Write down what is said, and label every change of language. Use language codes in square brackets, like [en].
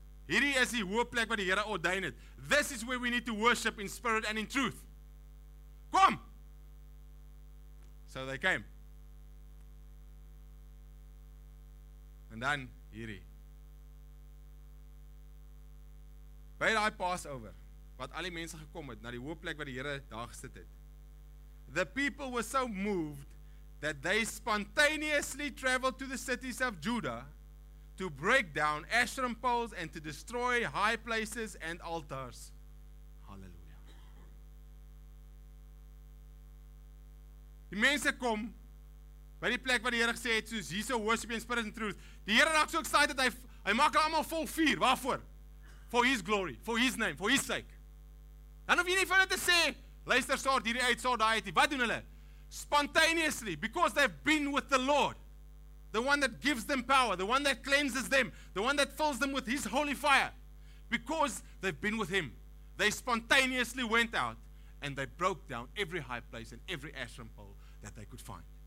[af] Hierdie is die hoofplek wat die Here ordyn het. [en] This is where we need to worship in spirit and in truth. [af] Kom! [en] So they came. And then, hierdie. [af] By die Passover, wat al die mense gekom het, na die hoofplek wat die Here daar gesit het. [en] The people were so moved that they spontaneously traveled to the cities of Judah to break down Asherim poles and to destroy high places and altars. Hallelujah. [af] Die mense kom by die plek wat die Here gesê het, soos hierso [en] worship in spirit and truth. [af] Die Here raak so excited, hy maak hulle almal vol vuur. Waarvoor? [en] For his glory, for his name, for his sake. [af] Dan hoef jy nie vir hulle te sê, luister, sort hierdie uit, sort daai uit. Wat doen hulle? [en] Spontaneously, because they've been with the Lord, the one that gives them power, the one that cleanses them, the one that fills them with his holy fire, because they've been with him, they spontaneously went out and they broke down every high place and every ashram pole that they could find.